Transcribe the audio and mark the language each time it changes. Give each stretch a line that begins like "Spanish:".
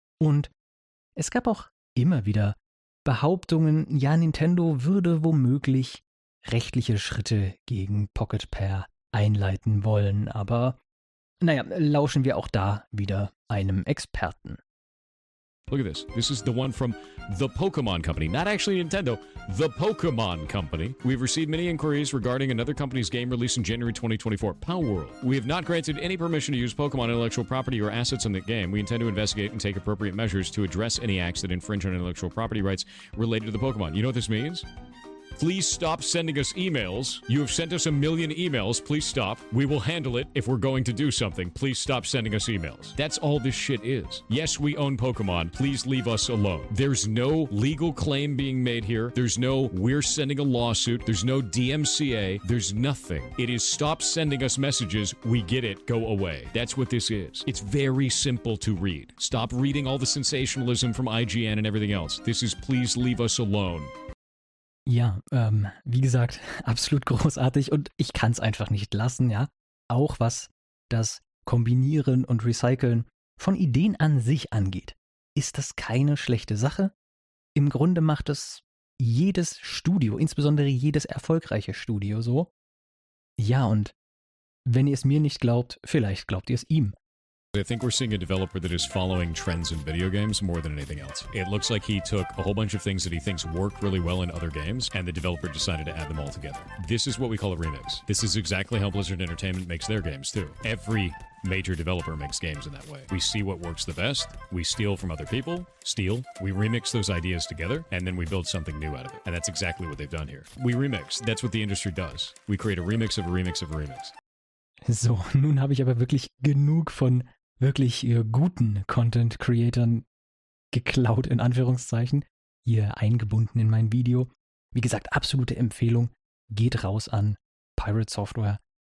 German: Und es gab auch immer wieder Behauptungen, ja, Nintendo würde womöglich rechtliche Schritte gegen Pocket Pair einleiten wollen. Aber naja, lauschen wir auch da wieder einem Experten.
English: Look at this. This is the one from the Pokemon Company, not actually Nintendo, the Pokemon Company. We've received many inquiries regarding another company's game release in January 2024, Palworld. We have not granted any permission to use Pokemon intellectual property or assets in the game. We intend to investigate and take appropriate measures to address any acts that infringe on intellectual property rights related to the Pokemon. You know what this means? Please stop sending us emails. You have sent us a million emails. Please stop. We will handle it if we're going to do something. Please stop sending us emails. That's all this shit is. Yes, we own Pokemon. Please leave us alone. There's no legal claim being made here. There's no we're sending a lawsuit. There's no DMCA. There's nothing. It is stop sending us messages. We get it. Go away. That's what this is. It's very simple to read. Stop reading all the sensationalism from IGN and everything else. This is please leave us alone.
German: Ja, wie gesagt, absolut großartig und ich kann es einfach nicht lassen, ja. Auch was das Kombinieren und Recyceln von Ideen an sich angeht, ist das keine schlechte Sache. Im Grunde macht es jedes Studio, insbesondere jedes erfolgreiche Studio so. Ja, und wenn ihr es mir nicht glaubt, vielleicht glaubt ihr es ihm.
English: I think we're seeing a developer that is following trends in video games more than anything else. It looks like he took a whole bunch of things that he thinks work really well in other games, and the developer decided to add them all together. This is what we call a remix. This is exactly how Blizzard Entertainment makes their games, too. Every major developer makes games in that way. We see what works the best, we steal from other people, steal, we remix those ideas together, and then we build something new out of it. And that's exactly what they've done here. We remix. That's what the industry does. We create a remix of a remix of a remix.
German: So, nun habe ich aber wirklich genug von wirklich guten Content-Creatorn geklaut, in Anführungszeichen, hier eingebunden in mein Video. Wie gesagt, absolute Empfehlung, geht raus an Pirate Software.